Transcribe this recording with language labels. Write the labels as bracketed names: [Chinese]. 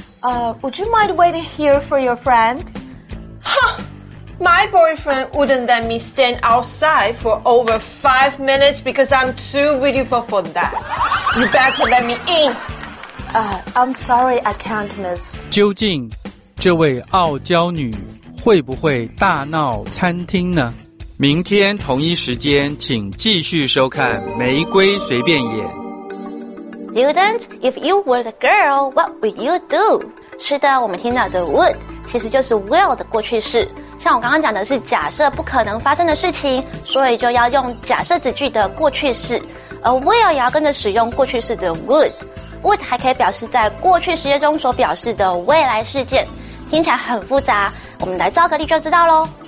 [English] Would you mind waiting here for your friend？ My boyfriend wouldn't let me stand outside for over 5 minutes because I'm too beautiful for that. You better let me in. I'm sorry, I can't, miss. [Chinese] 究竟这位傲娇女会不会大闹餐厅呢？明天同一时间请继续收看《玫瑰随便演》。 [English] Student, if you were the girl, what would you do? [Chinese] 是的，我们听到的 would 其实就是 will 的过去式。像我刚刚讲的是假设不可能发生的事情，所以就要用假设子句的过去式，而 will 也要跟着使用过去式的 would。 would 还可以表示在过去时间中所表示的未来事件，听起来很复杂，我们来造个例就知道咯。